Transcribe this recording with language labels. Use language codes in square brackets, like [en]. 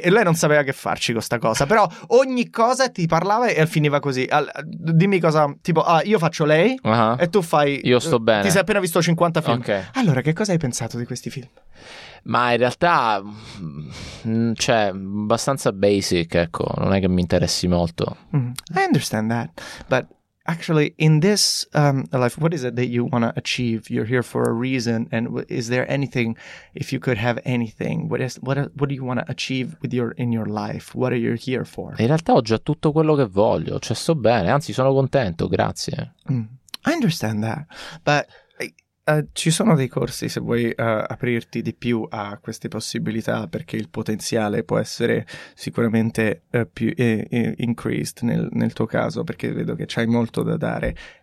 [it] E lei non sapeva che farci con sta cosa, però ogni cosa ti parlava e finiva così. Dimmi cosa, tipo, ah, io faccio lei, uh-huh, e tu fai io sto bene, ti sei appena visto 50 film, okay. Allora, che cosa hai pensato di questi film? Ma in realtà, cioè, abbastanza basic, ecco, non è che mi interessi molto. [en] I understand that, but actually in this life, what is it that you want to achieve? You're here for a reason, and is there anything, if you could have anything, what do you want to achieve with your, in your life? What are you here for? [it] In realtà ho già tutto quello che voglio, cioè sto bene, anzi sono contento, grazie. [en] I understand that, but... [it] ci sono dei corsi, se vuoi aprirti di più a queste possibilità, perché il potenziale può essere sicuramente più increased nel tuo caso, perché vedo che c'hai molto da dare.